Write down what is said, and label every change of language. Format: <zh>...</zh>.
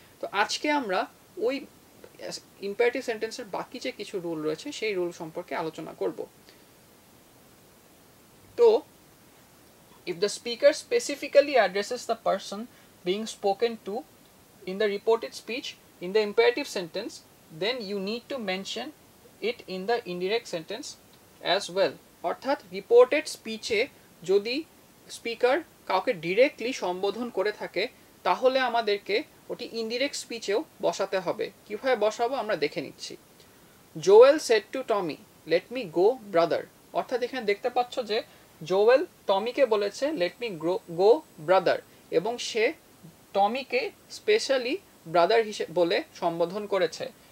<bn>তো আজকে আমরা ওই ইম্পারেটিভ সেন্টেন্সের বাকি যে কিছু রুল রয়েছে সেই রুল সম্পর্কে আলোচনা করব।</bn> <en>তো If the speaker specifically addresses the person being spoken to in the reported speech in the imperative sentence, then you need to mention it in the indirect sentence as well.</en> <bn>অর্থাৎ reported স্পিচে যদি speaker কাউকে directly সম্বোধন করে থাকে তাহলে আমাদেরকে ওটি indirect স্পিচেও বসাতে হবে। কীভাবে বসাবো আমরা দেখে নিচ্ছি।</bn> <en>Joel said to Tommy, let me go brother.</en> <bn>অর্থাৎ এখানে দেখতে পাচ্ছ যে জোয়েল টমিকে বলেছে</bn> <en>let me go brother,</en> <bn>এবং সে টমিকে স্পেশালি ব্রাদার হিসেবে বলে সম্বোধন করেছে।</bn>